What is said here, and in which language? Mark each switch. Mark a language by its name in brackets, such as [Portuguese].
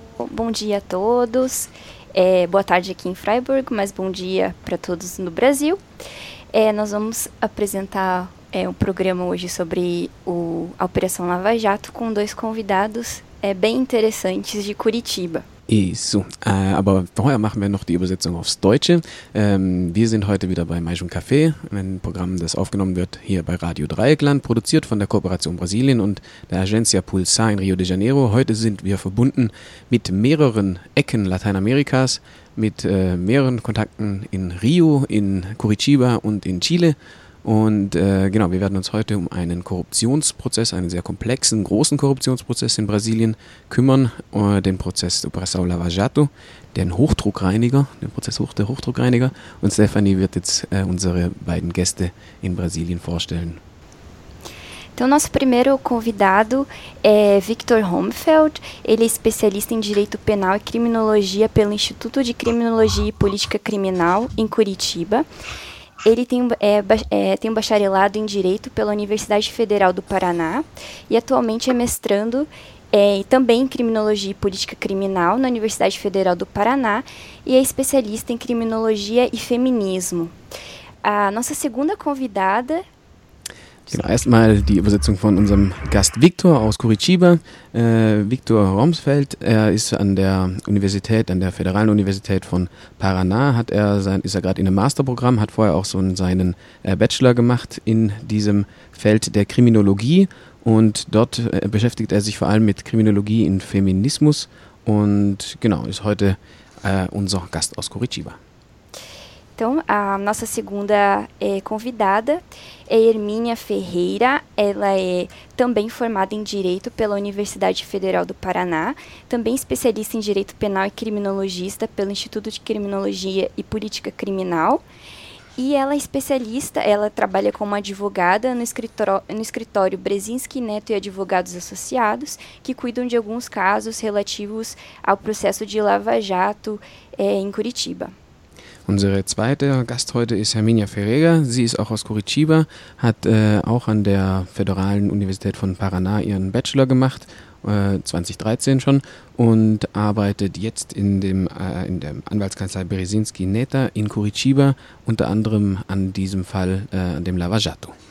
[Portuguese] Bom dia a todos. Boa tarde aqui em Freiburg, mas bom dia para todos no Brasil. Nós vamos apresentar um programa hoje sobre a Operação Lava Jato com dois convidados bem interessantes de Curitiba. [German] Isso, aber vorher machen wir noch die Übersetzung aufs Deutsche. Wir sind heute wieder bei Mais um Café, ein Programm, das aufgenommen wird hier bei Radio Dreieckland, produziert von der Kooperation Brasilien und der Agencia Pulsar in Rio de Janeiro. Heute sind wir verbunden mit mehreren Ecken Lateinamerikas, mit mehreren Kontakten in Rio, in Curitiba und in Chile. Und genau, wir werden uns heute um einen Korruptionsprozess, einen sehr komplexen, großen Korruptionsprozess in Brasilien kümmern, den Prozess Operação Lava Jato, den Prozess der Hochdruckreiniger. Und Stephanie wird jetzt unsere beiden Gäste in Brasilien vorstellen. [Portuguese] Então, nosso primeiro convidado é Victor Homfeld. Ele é especialista em Direito Penal e Criminologia pelo Instituto de Criminologia e Política Criminal em Curitiba. Ele tem um bacharelado em Direito pela Universidade Federal do Paraná e atualmente é mestrando também em Criminologia e Política Criminal na Universidade Federal do Paraná e é especialista em Criminologia e Feminismo. A nossa segunda convidada... [German] Genau, erstmal die Übersetzung von unserem Gast Victor aus Curitiba. Victor Homfeld, er ist an der Universität, an der Federalen Universität von Paraná, ist er gerade in einem Masterprogramm, hat vorher auch seinen Bachelor gemacht in diesem Feld der Kriminologie und dort beschäftigt er sich vor allem mit Kriminologie in Feminismus und genau, ist heute unser Gast aus Curitiba. [Portuguese] Então, a nossa segunda convidada é Hermínia Ferreira. Ela é também formada em Direito pela Universidade Federal do Paraná, também especialista em Direito Penal e Criminologista pelo Instituto de Criminologia e Política Criminal. E ela é especialista, ela trabalha como advogada no escritório Brezinski Neto e Advogados Associados, que cuidam de alguns casos relativos ao processo de Lava Jato em Curitiba. [German] Unsere zweite Gast heute ist Hermínia Ferreira. Sie ist auch aus Curitiba, hat auch an der Federalen Universität von Paraná ihren Bachelor gemacht, 2013 schon, und arbeitet jetzt in der Anwaltskanzlei Brezinski Neta in Curitiba, unter anderem an diesem Fall, an dem Lava Jato.